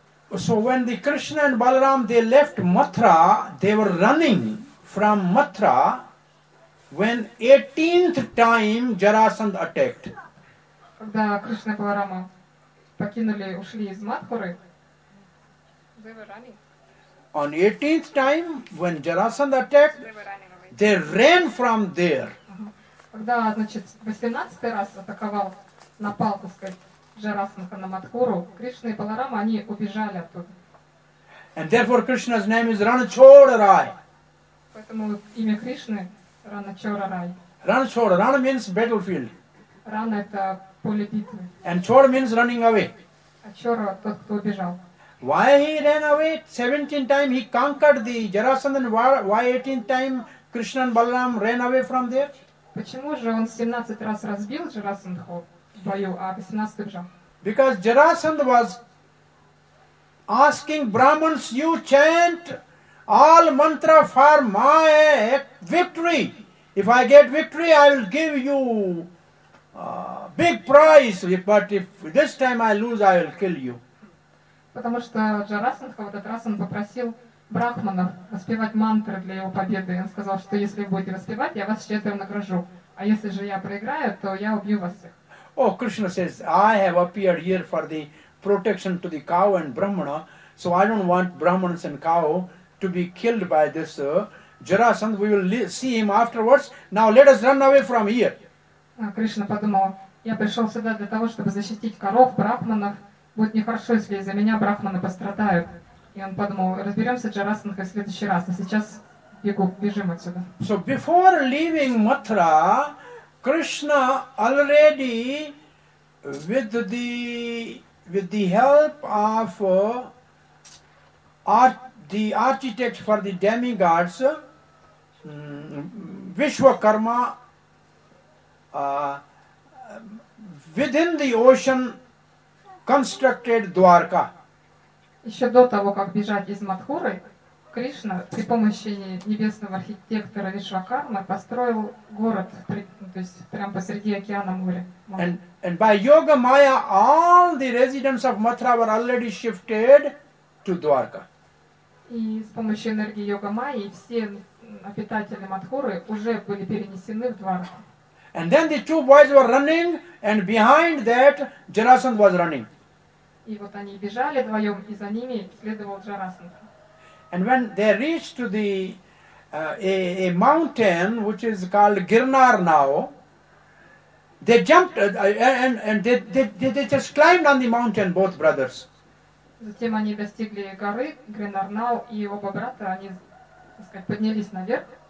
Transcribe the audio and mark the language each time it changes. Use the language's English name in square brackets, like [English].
[English] So when the Krishna and Balaram they left Mathura, they were running from Mathura when 18th time Jarasandha attacked. [Russian] Когда Кришна и Баларама покинули, ушли из Матхуры. [English] They were running. on 18th time when Jarasandh attacked, they ran from there. [Russian] Когда, значит, 18-й раз атаковал, напал, так сказать, Джарасандха на Матхуру, Кришна и Баларама, они убежали оттуда. [English] And therefore Krishna's name is Ranachora Rai. [Russian] Поэтому имя Кришны Ranachora Rai. [English] Ranachora, Rana means battlefield. [Russian] Rana это поле битвы. [English] And Chora means running away. [Russian] А Chora тот, кто убежал. [English] Why he ran away 17 times? He conquered the Jarasandha. Why 18 times Krishna and Balaram ran away from there? [Russian] Почему же он 17 раз разбил Джарасандху в бою, а 18 убежал? [English] Because Jarasandha was asking Brahmins, you chant all mantra for my victory. If I get victory, I will give you big prize. But if this time I lose, I will kill you. [Russian] Потому что Джарасандха в этот раз он попросил брахманов распевать мантры для его победы. Он сказал, что если вы будете распевать, я вас щедро награжу. А если же я проиграю, то я убью вас всех. [English] Oh, Krishna says, I have appeared here for the protection to the cow and brahmana, so I don't want brahmanas and cow to be killed by this Jarasandha. We will see him afterwards. Now let us run away from here. [Russian] Кришна подумал, я пришел сюда для того, чтобы защитить коров, брахманов. Будет нехорошо, если из-за меня брахманы пострадают. И он подумал, разберемся с Джарасандхой в следующий раз. А сейчас бегу, бежим отсюда. [English] So before leaving Mathura, Krishna already with the help of the architect for the demigods, Vishwakarma, within the ocean, constructed Dwarka. [Russian] Еще до того, как бежать из Матхуры, Кришна при помощи небесного архитектора Вишвакарма построил город, то есть прямо посреди океана моря. [English] And by yoga maya, all the residents of Mathura were already shifted to Dwarka. [Russian] И с помощью энергии йога майи все обитатели Матхуры уже были перенесены в Дварку. [English] And then the two boys were running, and behind that, Jarasandha was running. [Russian] И вот они бежали вдвоем, и за ними следовал Джарасандха. [English] And when they reached to the a mountain which is called Girnar now, they jumped and they just climbed on the mountain, both brothers. [Russian] Затем они достигли горы Гринарнау, и оба брата они, так сказать, поднялись наверх.